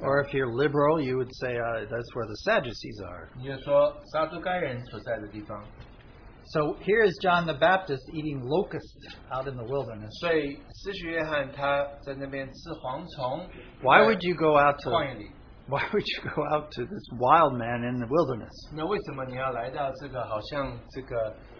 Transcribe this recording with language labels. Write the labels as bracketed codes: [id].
[en] Or if you're liberal, you would say that's where the Sadducees are. [zh] 你就说撒都该人所在的地方. [en] So here is John the Baptist eating locusts out in the wilderness. [zh] 所以施洗约翰他在那边吃蝗虫. [en] Why would you go out to the wilderness? Why would you go out to this wild man in the wilderness? [zh] 那为什么你要来到这个好像这个